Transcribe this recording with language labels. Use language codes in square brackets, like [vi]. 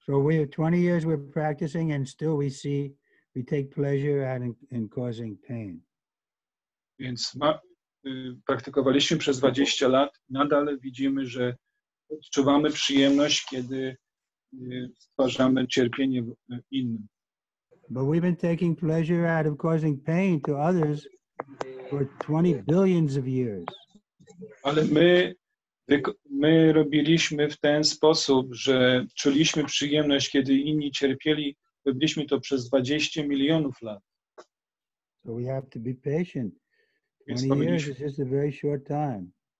[en] So we 20 years we're practicing and still we see we take pleasure in causing pain. [pl] Więc praktykowaliśmy przez 20 lat, nadal widzimy, że odczuwamy przyjemność, kiedy stwarzamy cierpienie innym. [en] But we've been taking pleasure out of causing pain to others for 20 billions of years. [pl] Ale my robiliśmy w ten sposób, że czuliśmy przyjemność, kiedy inni cierpieli. Robiliśmy to przez 20 milionów lat. [en] So we have to be patient. 20 years is just a very short time.